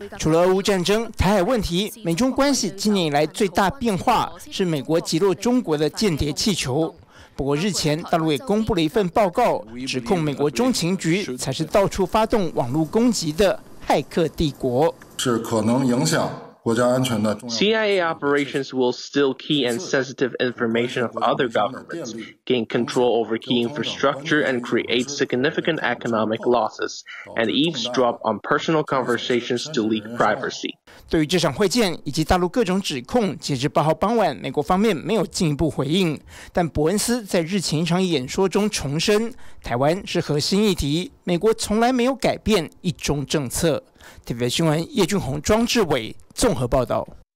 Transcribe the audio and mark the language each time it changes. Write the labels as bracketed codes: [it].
[zh] 除了俄乌战争、台海问题，美中关系今年以来最大变化是美国击落中国的间谍气球。不过日前大陆也公布了一份报告，指控美国中情局才是到处发动网络攻击的骇客帝国，是可能影响国家安全的重要。 [en] CIA operations will steal key and sensitive information of other governments, gain control over key infrastructure and create significant economic losses, and eavesdrop on personal conversations to leak privacy. [zh] 对于这场会见以及大陆各种指控，截至8号傍晚，美国方面没有进一步回应。但伯恩斯在日前一场演说中重申，台湾是核心议题，美国从来没有改变一中政策。 TVBS 新闻叶俊宏、庄志伟综合报道。